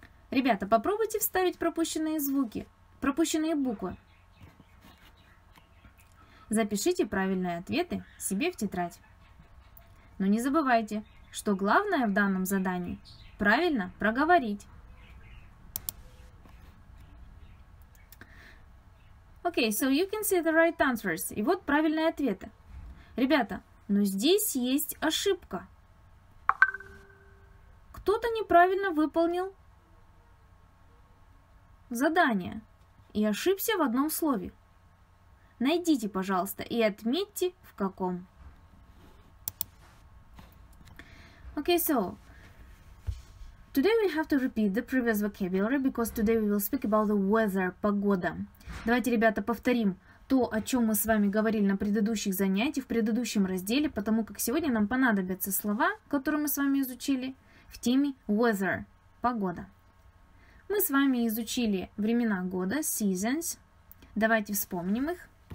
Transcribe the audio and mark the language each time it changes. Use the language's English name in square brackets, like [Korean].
[Russian] Ребята, попробуйте вставить пропущенные звуки, пропущенные буквы. Запишите правильные ответы себе в тетрадь. Но не забывайте, что главное в данном задании – правильно проговорить. [English] Okay, so you can see the right answers. [Russian] И вот правильные ответы. Ребята, но здесь есть ошибка. Кто-то неправильно выполнил задание и ошибся в одном слове. Найдите, пожалуйста, и отметьте, в каком. [English] Okay, so, today we have to repeat the previous vocabulary, because today we will speak about the weather, погода. [Russian] Давайте, ребята, повторим то, о чем мы с вами говорили на предыдущих занятиях, в предыдущем разделе, потому как сегодня нам понадобятся слова, которые мы с вами изучили в теме weather, погода. Мы с вами изучили времена года, seasons. Давайте вспомним их.